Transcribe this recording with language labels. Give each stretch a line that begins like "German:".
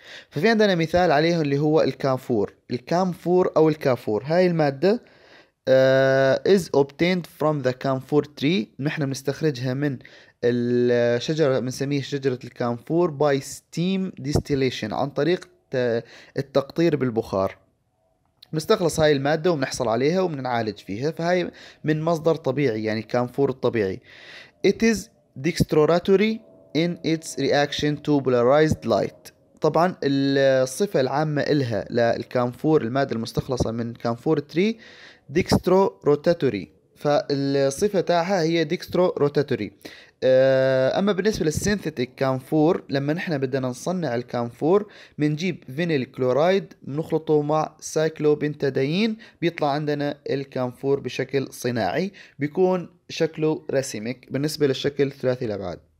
Arabic: ففي عندنا مثال عليه اللي هو الكافور. الكامفور أو الكافور، هاي المادة
English: is obtained from the camphor tree،
Arabic: نحن بنستخرجها من الشجرة، بنسميها شجرة الكامفور،
English: by steam distillation،
Arabic: عن طريق التقطير بالبخار. بنستخلص هاي المادة وبنحصل عليها وبنعالج فيها، فهاي من مصدر طبيعي، يعني كامفور الطبيعي.
English: It is dextrorotary in its reaction to polarized light.
Arabic: طبعا الصفة العامة إلها للكامفور، المادة المستخلصة من كامفور تري، ديكسترو روتاتوري، فالصفة تاعها هي ديكسترو روتاتوري. أما بالنسبة للسينثيتيك كامفور، لما نحن بدنا نصنع الكامفور منجيب فينيل كلورايد بنخلطه مع سايكلوبنتادين، بيطلع عندنا الكامفور بشكل صناعي، بيكون شكله رسمك بالنسبة للشكل ثلاثي الأبعاد.